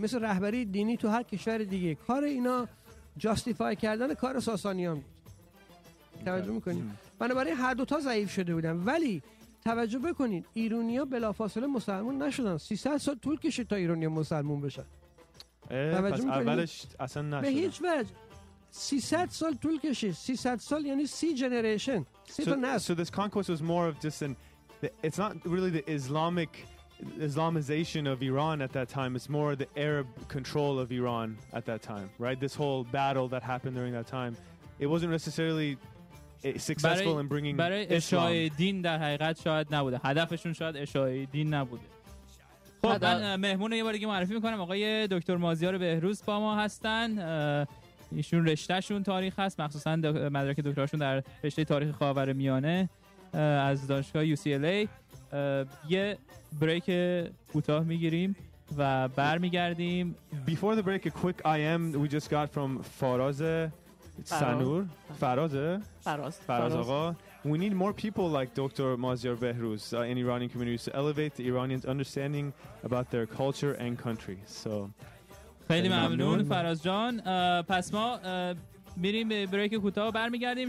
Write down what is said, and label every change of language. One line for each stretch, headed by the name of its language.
Persian: مثل رهبری دینی تو هر کشور دیگه، کار اینا جاستیفای کردن کار ساسانیان بود. توجه میکنیم بنابراین هر دوتا ضعیف شده بودن. ولی توجه بکنید ایرونیا بلافاصله مسلمون نشدن، 300 سال طول کشید تا ایرونیا مسلمون بشن. توجه میکنید اولش اصلا نشدن به هیچ وجه. 300 سال طول کشید. 300 سال یعنی 3 جنریشن.
English: So this conquest was more of just an it's not really the Islamization of Iran at that time. It's more the Arab control of Iran at that time, right? This whole battle that happened during that time, it wasn't necessarily successful in bringing Islam.
Persian: برای اشاعه دین در حقیقت شاید نبوده. هدفشون شاید اشاعه دین نبوده. خب من مهمون رو یه بار دیگه معرفی می‌کنم. آقای دکتر مازیار بهروز با ما هستن. ایشون رشته شون تاریخ هست، مخصوصا مدرک دکتراشون در رشته تاریخ خاورمیانه از دانشگاه UCLA. یه بریک کوتاه میگیریم و برمیگردیم.
English: Before the break a quick IM we just got from فراز سنور.
Persian: فراز
English: آقا، we need more people like Dr. مازیار بهروز in Iranian communities to elevate the Iranians' understanding about their culture and country. So
Persian: خیلی ممنون فراز جان. پس ما میریم به بریک کوتاه و برمیگردیم.